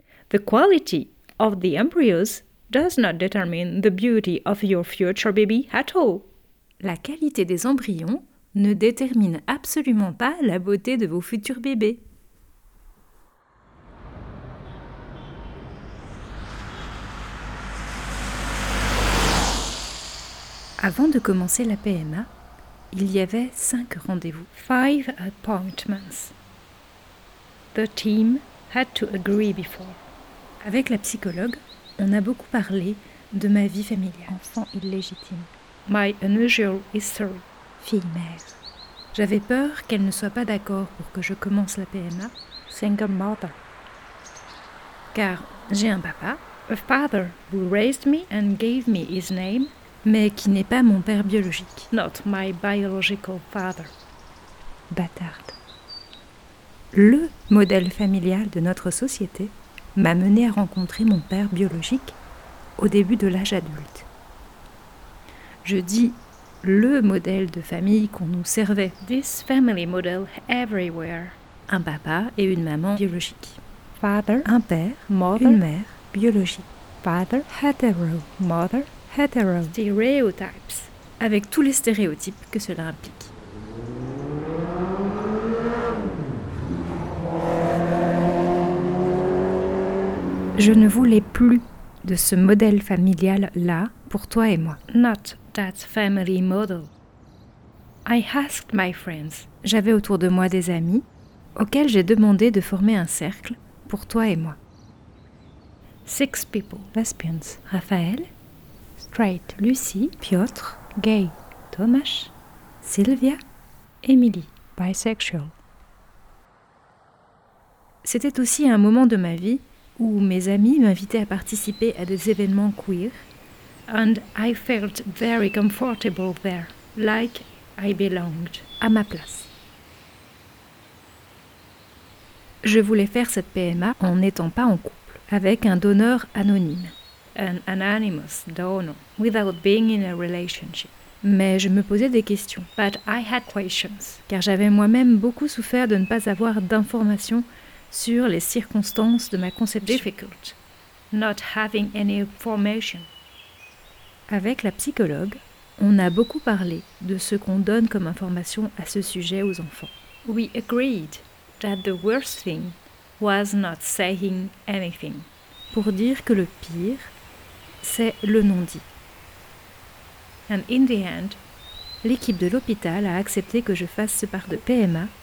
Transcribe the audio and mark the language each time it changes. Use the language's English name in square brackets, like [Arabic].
[English] The quality of the embryos does not determine the beauty of your future baby at all. [French] La qualité des embryons ne détermine absolument pas la beauté de vos futurs bébés. Avant de commencer la PMA, il y avait 5 rendez-vous. [English] 5 appointments. The team had to agree before. [French] Avec la psychologue, on a beaucoup parlé de ma vie familiale. Enfant illégitime. [English] My unusual history. [French] Fille mère. J'avais peur qu'elle ne soit pas d'accord pour que je commence la PMA. [English] Single mother. [French] Car j'ai un papa. [English] A father who raised me and gave me his name. [French] Mais qui n'est pas mon père biologique. [English] Not my biological father. [French] Bâtarde. Le modèle familial de notre société m'a mené à rencontrer mon père biologique au début de l'âge adulte. Je dis le modèle de famille qu'on nous servait. [English] This family model everywhere. [French] Un papa et une maman biologique. [English] Father. [French] Un père. [English] Mother. [French] Une mère biologique. [English] Father. Hetero. Mother. [French] Hétéro. Stéréotypes. Avec tous les stéréotypes que cela implique. Je ne voulais plus de ce modèle familial-là pour toi et moi. [English] Not that family model. I asked my friends. [French] J'avais autour de moi des amis auxquels j'ai demandé de former un cercle pour toi et moi. [English] Six people. Lesbians. Raphaël. Straight. Lucie. Piotr. Gay. Tomasz. Sylvia. Emily. Bisexual. [French] C'était aussi un moment de ma vie où mes amis m'invitaient à participer à des événements queer. [English] And I felt very comfortable there, like I belonged. [French] À ma place. Je voulais faire cette PMA en n'étant pas en couple, avec un donneur anonyme. [English] An anonymous donor, without being in a relationship. [French] Mais je me posais des questions. [English] But I had questions. [French] Car j'avais moi-même beaucoup souffert de ne pas avoir d'informations sur les circonstances de ma conception. [English] Difficult. Not having any information. [French] Avec la psychologue, on a beaucoup parlé de ce qu'on donne comme information à ce sujet aux enfants. [English] We agreed that the worst thing was not saying anything. [French] Pour dire que le pire, c'est le non-dit. [English] And in the end, [French] l'équipe de l'hôpital a accepté que je fasse ce part de PMA